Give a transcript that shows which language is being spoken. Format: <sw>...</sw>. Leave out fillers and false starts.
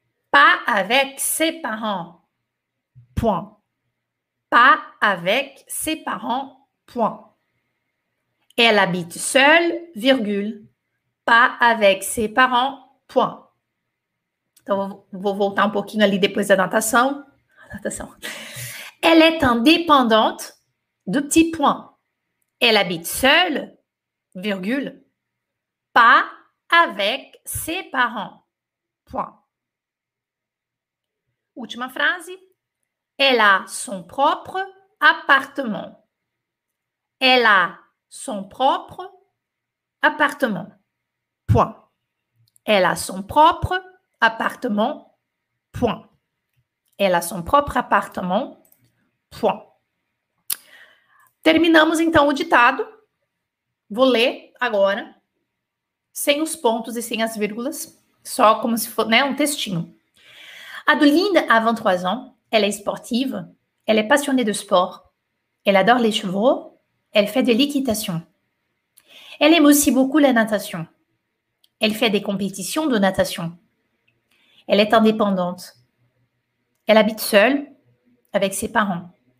<fr>Pas avec ses parents, point. Pas avec ses parents, point. Elle habite seule, virgule, pas avec ses parents, point.</fr> <pt>Então, vou voltar um pouquinho ali depois da natação. Natação.</pt> <fr>Elle est indépendante, deux petits points. Elle habite seule, virgule, pas avec ses parents. Point.</fr> <pt>Última frase.</pt> <fr>Elle a son propre appartement. Elle a son propre appartement. Point. Elle a son propre appartement. Point. Elle a son propre appartement. Point.</fr> <pt>Terminamos então o ditado. Vou ler agora, sem os pontos e sem as vírgulas, só como se fosse, né, um textinho.</pt> <fr>Adolinda a 23 ans, elle est sportive, elle est passionnée de sport, elle adore les chevaux, elle fait de l'équitation. Elle aime aussi beaucoup la natation. Elle fait des compétitions de natation. Elle est indépendante. Elle habite seule avec ses parents.</fr>